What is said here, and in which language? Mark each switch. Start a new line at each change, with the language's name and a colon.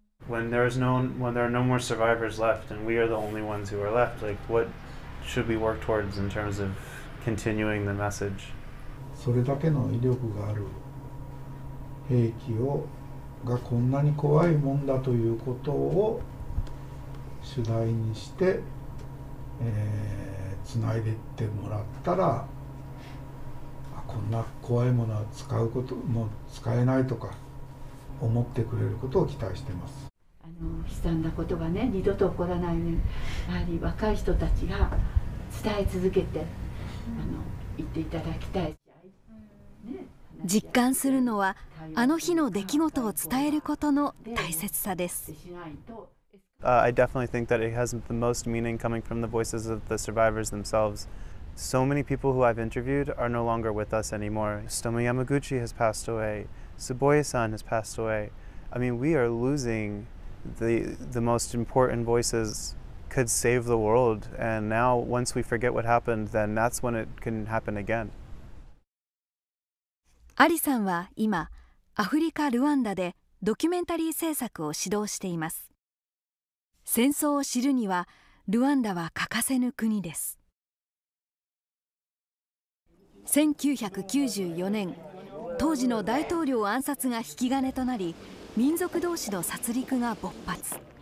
English: When there is no, when there are no more survivors left and we are the only ones who are left, like what should we work towards in terms of continuing the message?
Japanese: それだけの威力がある兵器をがこんなに怖いもんだということを主題にして、つないでってもらったら、こんな怖いものは使うこともう使えないとか思ってくれることを期待しています。悲惨なことがね、二度と起こらないように、やはり若い人たちが伝え続けて言っていただきたい。実感するのは、あの日の出来事を伝えることの大切さです。
English: I definitely think that it has the most meaning coming from the voices of the survivors themselves. So many people who I've interviewed are no longer with us anymore. Stoma Yamaguchi has passed away. Tsuboya-san has passed away. I mean, we are losing the most important voices could save the world. And now, once we forget what happened, then that's when it can happen again.
Japanese: アリさんは今、アフリカ・ルワンダでドキュメンタリー制作を指導しています。戦争を知るにはルワンダは欠かせぬ国です。 1994年当時の大統領暗殺が引き金となり、民族同士の殺戮が勃発。